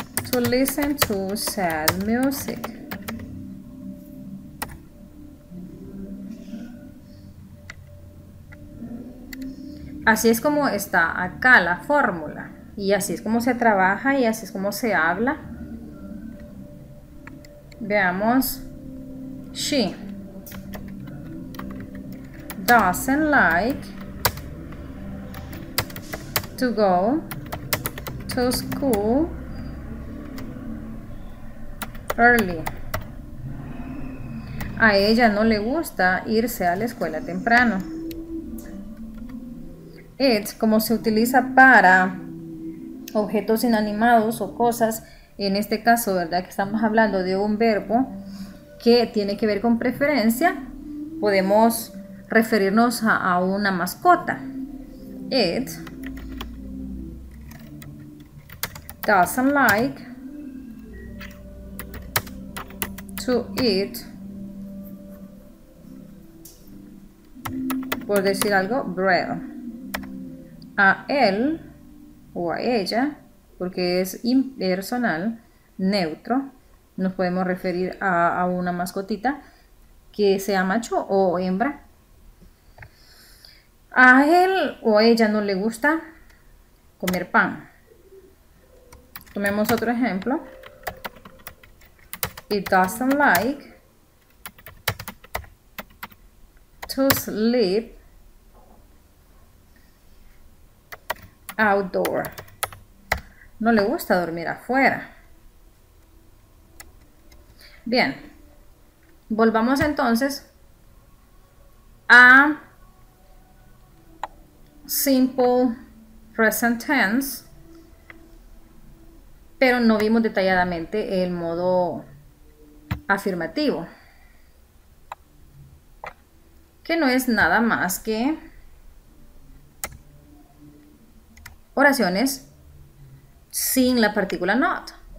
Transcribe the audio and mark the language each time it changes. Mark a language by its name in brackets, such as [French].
[English] To listen to sad music. [Spanish] Así es como está acá la fórmula. Y así es como se trabaja y así es como se habla. Veamos. [English] She doesn't like to go to school early. [Spanish] A ella no le gusta irse a la escuela temprano. It, como se utiliza para objetos inanimados o cosas, en este caso, ¿verdad? Que estamos hablando de un verbo que tiene que ver con preferencia. Podemos referirnos a una mascota. [English] It doesn't like to eat, [Spanish] por decir algo, [English] bread. [Spanish] A él o a ella, porque es impersonal, neutro, nos podemos referir a una mascotita que sea macho o hembra. A él o a ella no le gusta comer pan. Tomemos otro ejemplo. [English] It doesn't like to sleep outdoor. [Spanish] No le gusta dormir afuera. Bien, volvamos entonces a simple present tense, pero no vimos detalladamente el modo afirmativo, que no es nada más que oraciones sin la partícula not.